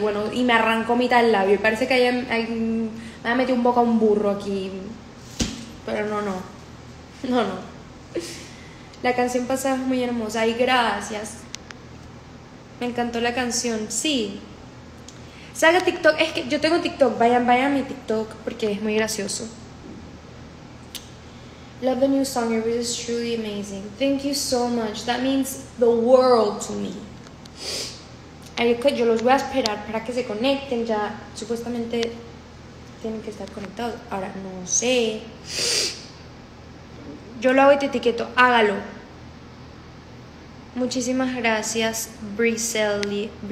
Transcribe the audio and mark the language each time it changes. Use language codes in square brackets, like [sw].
[es] Bueno, y me arrancó mitad del labio. Y parece que me ha metido un boca a un burro aquí. Pero no. La canción pasada es muy hermosa. Ay, gracias. Me encantó la canción. Sí. Salga TikTok. Es que yo tengo TikTok. Vayan a mi TikTok porque es muy gracioso. [en] Love the new song, it was truly amazing. Thank you so much. That means the world to me. [es] Así que yo los voy a esperar para que se conecten. Ya supuestamente tienen que estar conectados. Ahora no sé. Yo lo hago y te etiqueto. Hágalo. Muchísimas gracias, Briselia.